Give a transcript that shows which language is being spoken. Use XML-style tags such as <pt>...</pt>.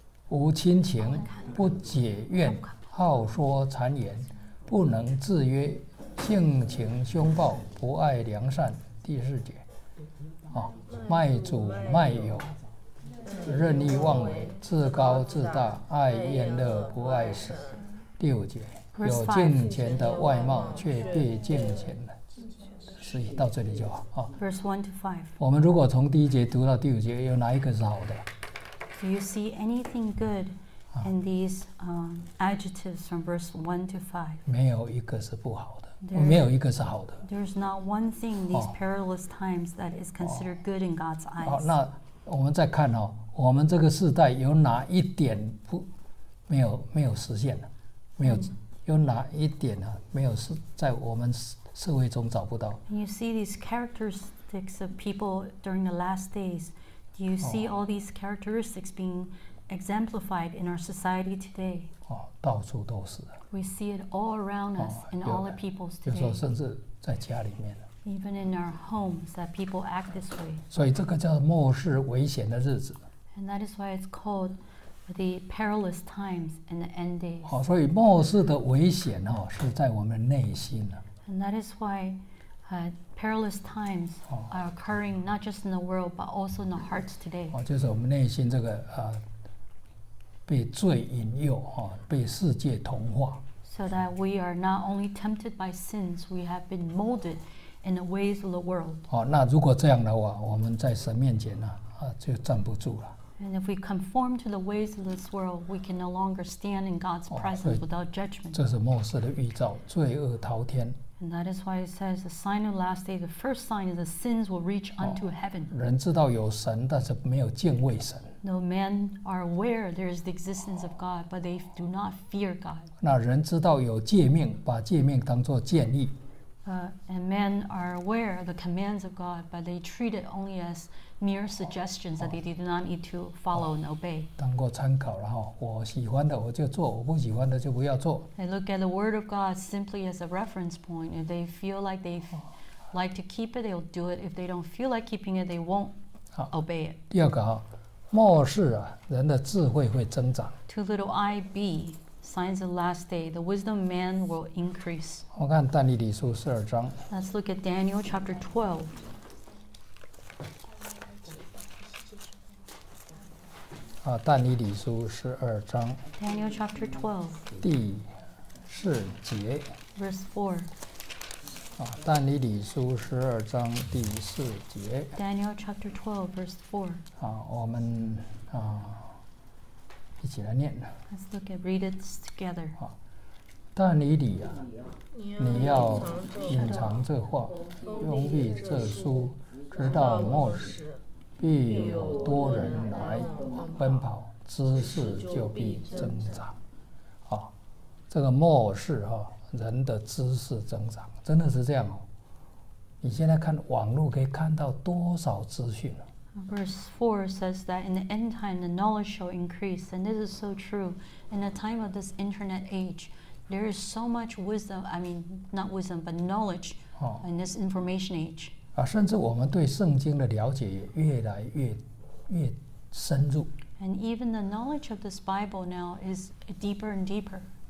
<zh>无亲情不解怨好说谗言不能自约性情凶暴不爱良善第四节、哦、卖主卖友任意妄为自高自大爱厌乐不爱神第五节有敬虔的外貌却被敬虔了所以到这里就好、哦、</zh> <en>Verse 1 to 5</en> <zh>我们如果从第一节读到第五节有哪一个是好的</zh> <en>Do you see anything good in these adjectives from verse 1 to 5?</en> <zh>没有一个是不好的，没有一个是好的。</zh> <en>There's not one thing in these perilous times that is considered good in God's eyes.</en> <zh>好，那我们再看哦，我们这个世代有哪一点不没有没有实现的？没有有哪一点呢？没有是在我们社会中找不到。</zh> <en>You see these characteristics of people during the last days. Do you see all these characteristics being exemplified in our society today?</en> <zh>哦，到处都是。</zh> <en>We see it all around us in all the peoples today.</en> <zh>有时候甚至在家里面。</zh> <en>Even in our homes, that people act this way.</en> <zh>所以这个叫末世危险的日子。</zh> <en>And that is why it's called the perilous times and the end days.</en> <zh>哦，所以末世的危险哦，是在我们内心了。</zh> <en>And that is why perilous times are occurring not just in the world but also in the hearts today.</en> <zh>就是我们内心这个被罪引诱被世界同化。</zh> <en>So that we are not only tempted by sins, we have been molded in the ways of the world.</en> <zh>那如果这样的话，我们在神面前就站不住了。</zh> <en>And if we conform to the ways of this world, we can no longer stand in God's presence without judgment.</en> <zh>这是末世的预兆，罪恶滔天。</zh> <en>And that is why it says the sign of the last day, the first sign is that sins will reach unto heaven.</en> <zh>人知道有神，但是没有敬畏神。</zh> <en>No, men are aware there is the existence of God, but they do not fear God.</en> <zh>那人知道有诫命，把诫命当作建立。</zh> <en>And men are aware of the commands of God, but they treat it only as mere suggestions that they do not need to follow and obey.</en> <zh>当过参考了我喜欢的我就做，我不喜欢的就不要做。</zh> <en>They look at the word of God simply as a reference point. If they feel like they like to keep it, they'll do it. If they don't feel like keeping it, they won't obey it.</en> <zh>第二个末世人的智慧会增长。</zh> <en>To little I be. Signs of the last day, the wisdom of man will increase.</en> <zh>我看但以理书十二章。</zh> <en>Let's look at Daniel chapter 12.</en> <zh>但以理书十二章。</zh> <en>Daniel chapter 12.</en> <zh>第四节。</zh> <en>Verse 4.</en> <zh>但以理书十二章第四节。</zh> <en>Daniel chapter 12, verse 4.</en> <zh>我们一起来念。</zh> <en>Let's look at read it together.</en> <zh>但以理啊，你要隐藏这话，封闭这书，直到末时，必有多人来奔跑，知识就必增长。这个末世人的知识增长，真的是这样你现在看网络可以看到多少资讯</zh> <en>Verse 4 says that in the end time, the knowledge shall increase. And this is so true. In the time of this internet age, there is so much wisdom, I mean, not wisdom, but knowledge in this information age.</en> <zh>甚至我们对圣经的了解也越来越深入。</zh> <en>And even the knowledge of this Bible now is deeper and deeper.</en>